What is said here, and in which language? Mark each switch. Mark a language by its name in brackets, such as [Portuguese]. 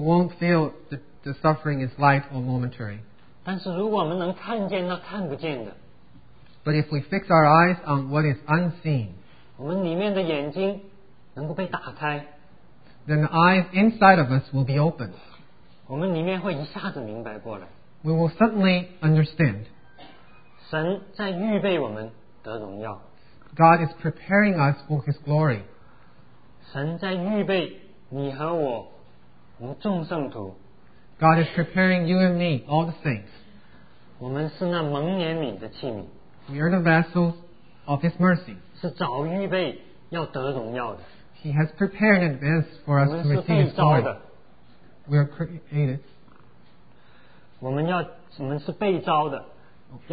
[English] won't feel the suffering is light or momentary. [Chinese] 但是如果我们能看见那看不见的, [English] but if we fix our eyes on what is unseen, [Chinese] 我们里面的眼睛能够被打开, [English] then the eyes inside of us will be opened. [Chinese] 我们里面会一下子明白过来, [English] we will suddenly understand. [Chinese] 神在预备我们得荣耀, [English] God is preparing us for His glory. [Chinese] 神在预备你和我, 我们众圣徒, [English] God is preparing you and me, all the saints. [Chinese] 我们是那蒙怜悯的器皿, [English] we are the vessels of His mercy. [Chinese] 是早预备要得荣耀的, [English] He has prepared in advance for us to receive His glory. We are created. [Chinese] 我们是被召的, okay.